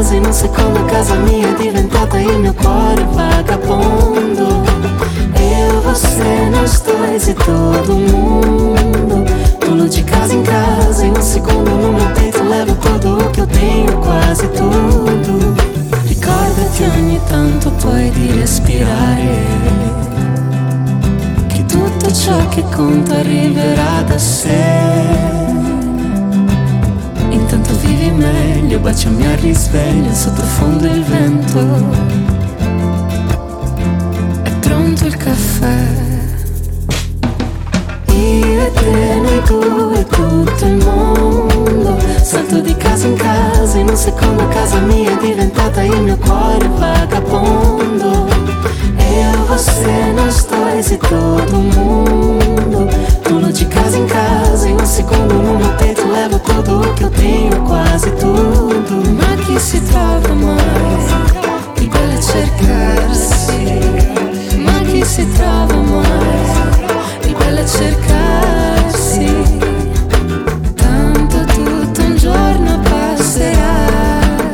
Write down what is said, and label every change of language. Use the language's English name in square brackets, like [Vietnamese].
[Italian] Secondo casa mia è diventata il mio cuore vagabondo. [Portuguese] Eu, você, nós dois e todo mundo. Pulo de casa em casa, em um segundo no meu peito levo tudo o que eu tenho, quase tudo. [Italian] Ricordati ogni tanto poi di respirare, che tutto ciò che conta arriverà da sé. Intanto vivi meglio, baciami al risveglio, sottofondo il vento. È pronto il caffè. Io e te, noi due, tutto il mondo. Salto di casa in casa, in un secondo casa mia è diventata il mio cuore vagabondo. [Portuguese] Io, você, nós dois e todo mundo. Pulo de casa em casa, em um segundo no meu peito levo tudo o que eu tenho, quase tudo. [Italian] Ma chi si trova mais, il bello è cercarsi. Ma chi si trova mais, il bello è cercarsi. Tanto tutto un giorno passerà.